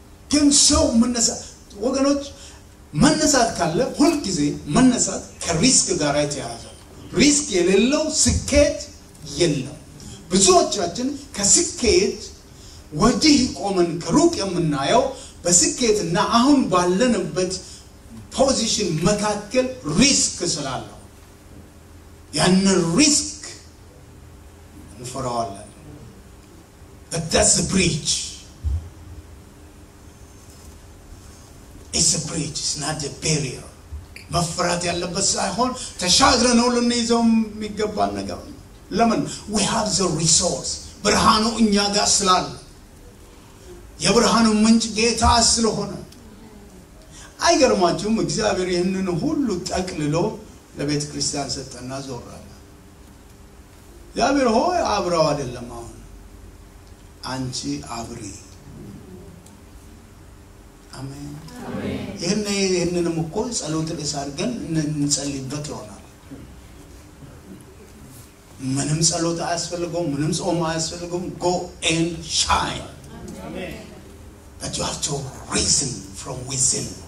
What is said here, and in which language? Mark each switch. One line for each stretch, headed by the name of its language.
Amharic: ግን ሰው መነሳት ወገኖች መነሳት ካለ ሁልጊዜ መነሳት ከሪስክ ጋር የተያያዘ ሪስክ የሌለው ስኬት የለም። ብዙዎቻችን ከስኬት ወዲህ ቆመን ከሩቅ የምናየው በስኬትና አሁን ባለንበት ፖዚሽን መካከል ሪስክ ስላለው ያን ሪስክ እንፈራዋለን።
English: But that's a bridge. It's a bridge, it's not a barrier.
Amharic: መፍራት ያለበት ሳይሆን ተሻግረነው ልንይዘው የሚገባ ነገር ነው። ለምን?
English: We have the resource.
Amharic: ብርሃኑ እኛ ጋር ስላለ የብርሃኑ ምንጭ ጌታ ስለሆነ። አይገርማችሁም? እግዚአብሔር ይህንን ሁሉ ጠቅልሎ ለቤተ ክርስቲያን ሰጠና ዞራለ። እግዚአብሔር ሆይ አብረው አይደለም አሁን አንቺ አብሪ። አሜን። ይህንንም እኮ ጸሎት ለሳርገን እንጸልይበት ይሆናል። ምንም ጸሎት አያስፈልገውም፣ ምንም ጾም አያስፈልገውም።
English: ጎ ኤንድ ሻይን።
Amharic: አሜን።
English: But you have to reason from within.